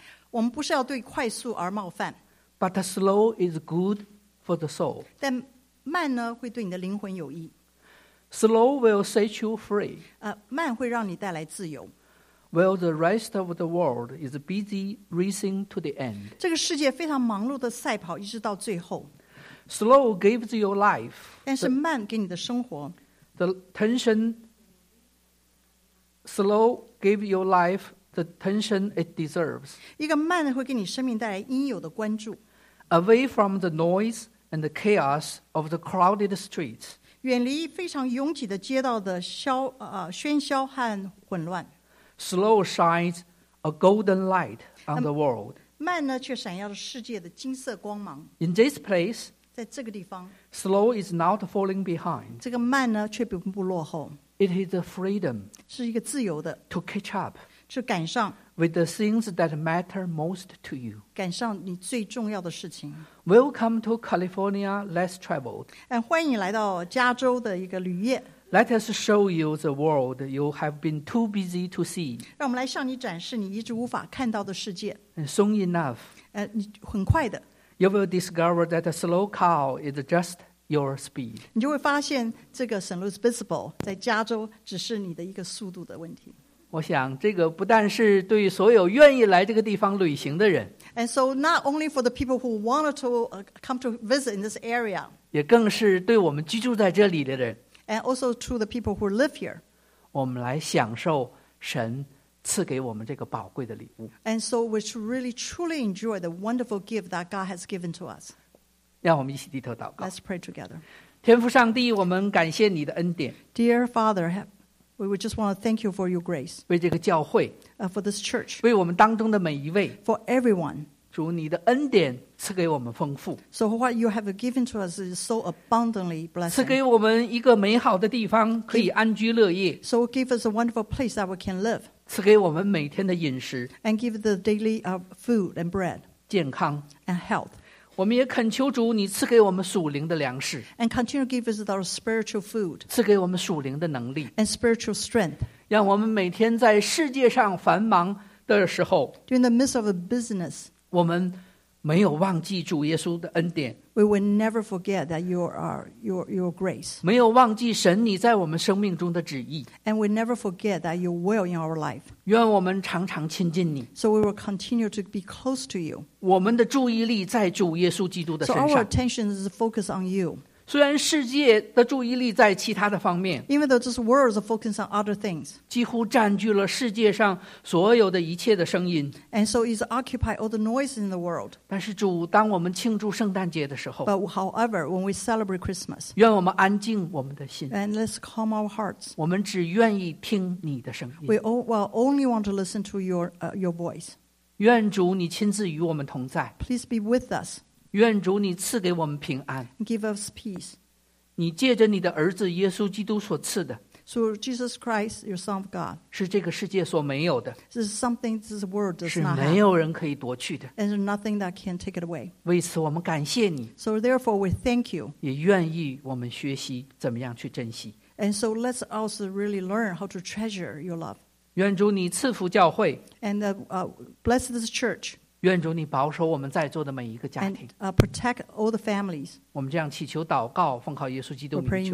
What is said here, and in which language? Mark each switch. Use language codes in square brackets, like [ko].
[zh] 我们不是要对快速而冒犯。 [en] But slow is good for the soul. [zh] 但慢呢会对你的灵魂有益。 [en] Slow will set you free. [zh] 慢会让你带来自由。 [en] While the rest of the world is busy racing to the end. [zh] 这个世界非常忙碌的赛跑一直到最后。 [en] Slow gives you life. [zh] 但是慢给你的生活。 [en] The tension. Slow gives your life the tension it deserves. [zh] 一个慢会给你生命带来应有的关注。 [en] Away from the noise and the chaos of the crowded streets. [zh] 远离非常拥挤的街道的喧嚣和混乱。 [en] Slow shines a golden light on the world. [zh] 慢呢却闪耀着世界的金色光芒。 [en] In this place. [zh] 在这个地方 [en] Slow is not falling behind [zh] 这个慢呢却并不落后 [en] It is a freedom [zh] 是一个自由的 [en] To catch up [zh] 去赶上 [en] With the things that matter most to you [zh] 赶上你最重要的事情 [en] Welcome to California less traveled [zh] 欢迎来到加州的一个旅业 [en] Let us show you the world you have been too busy to see [zh] 让我们来向你展示你一直无法看到的世界 [en] And soon enough [zh] 很快的 [en] You will discover that a slow car is just your speed. [zh] 你就会发现这个 St. Louis Bispo 在加州只是你的一个速度的问题。我想这个不但是对所有愿意来这个地方旅行的人。 [en] And so not only for the people who wanted to come to visit in this area. [zh] 也更是对我们居住在这里的人。 [en] And also to the people who live here. [zh] 我们来享受神赐给我们这个宝贵的礼物。 [en] And so we should really truly enjoy the wonderful gift that God has given to us. [zh] 让我们一起低头祷告。 [en] Let's pray together. [zh] 天父上帝，我们感谢你的恩典。 [en] Dear Father, we would just want to thank you for your grace. [zh] 为这个教会。 [en] For this church. [zh] 为我们当中的每一位。 [en] For everyone. [zh] 主，你的恩典赐给我们丰富。 [en] So what you have given to us is so abundantly blessed. [zh] 赐给我们一个美好的地方，可以安居乐业。 [en] So give us a wonderful place that we can live. [zh] 赐给我们每天的饮食。 [en] And give the daily food and bread. [zh] 健康。 [en] And health. [zh] 我们也恳求主，你赐给我们属灵的粮食 [en] ，and continue to give us our spiritual food， [zh] 赐给我们属灵的能力 [en] ，and spiritual strength， [zh] 让我们每天在世界上繁忙的时候 [en] ，during the midst of a business， [zh] 我们没有忘记主耶稣的恩典 [en] ，we will never forget that your grace， [zh] 没有忘记神你在我们生命中的旨意 [en] ，and we never forget that your will in our life， [zh] 愿我们常常亲近你 [en] ，so we will continue to be close to you。 [zh] 我们的注意力在主耶稣基督的身上 [en] ，so our attention is focused on you。 [zh] 虽然世界的注意力在其他的方面 [en] ，even though this world is focused on other things， [zh] 几乎占据了世界上所有的一切的声音 [en] ，and so it's occupied all the noise in the world。 [zh] 但是主，当我们庆祝圣诞节的时候 [en] ，but however when we celebrate Christmas， [zh] 愿我们安静我们的心 [en] ，and let's calm our hearts。 [zh] 我们只愿意听你的声音 [en] ，we will only want to listen to your voice。 [zh] 愿主你亲自与我们同在 [en] ，please be with us。 [zh] 愿主你赐给我们平安 [en] Give us peace [zh] 你借着你的儿子耶稣基督所赐的 [en] So Jesus Christ, your Son of God [zh] 是这个世界所没有的 [en] This is something this world does not have [zh] 是没有人可以夺去的 [en] And there's nothing that can take it away [zh] 为此我们感谢你 [en] So therefore we thank you [zh] 也愿意我们学习怎么样去珍惜 [en] And so let's also really learn how to treasure your love [zh] 愿主你赐福教会 [en] And bless this church [zh] 愿主你保守我们在座的每一个家庭 [en] and, protect all the families [zh] 我们这样祈求祷告奉靠耶稣基督名求